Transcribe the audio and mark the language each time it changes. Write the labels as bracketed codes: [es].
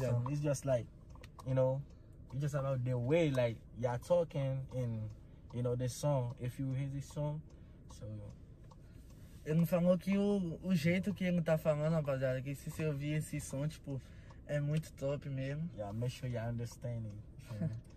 [en] It's just like, you know, it's just about the way like y'all talking in, you know, this song. If you hear this song, so. [pt] Ele falou que o jeito que ele tá falando, rapaziada, que se você ouvir esse som, tipo, é muito top mesmo. [en] Yeah, make sure you understand it.